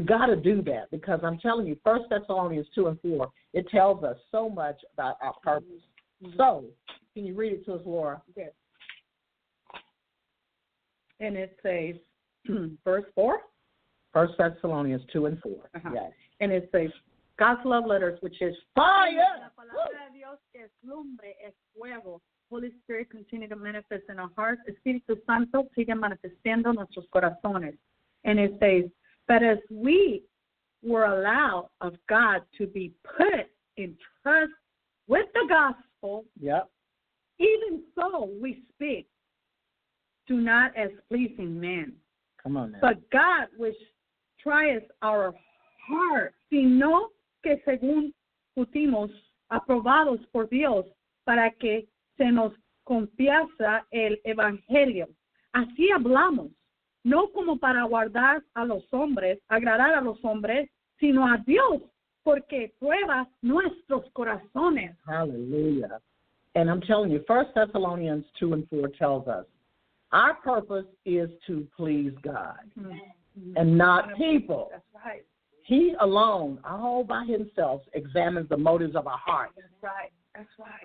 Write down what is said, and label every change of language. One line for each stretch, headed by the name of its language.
English: We got to do that because I'm telling you, 1 Thessalonians 2 and 4, it tells us so much about our purpose. Mm-hmm. So can you read it to us, Laura? Yes. And it says, verse 4. 1 Thessalonians 2 and 4. Uh-huh. Yes. And it says, God's love letters, which is fire.
Spanish: La palabra de Dios es lumbre, es fuego.
English: Holy Spirit, continue to manifest in our hearts.
Spanish: Espíritu Santo, sigue manifestando nuestros corazones.
English: And it says, but as we were allowed of God to be put in trust with the gospel, even so we speak, do not as pleasing men. Come on now. But God, which tries our heart,
Spanish: sino que según putimos aprobados por Dios para que se nos confiase el evangelio. Así hablamos, no como para guardar a los hombres, agradar a los hombres, sino a Dios, porque prueba nuestros corazones.
English: Hallelujah. And I'm telling you, 1 Thessalonians 2 and 4 tells us, our purpose is to please God. Mm-hmm. And not people. That's right. He alone, all by himself, examines the motives of our hearts. That's right. That's right.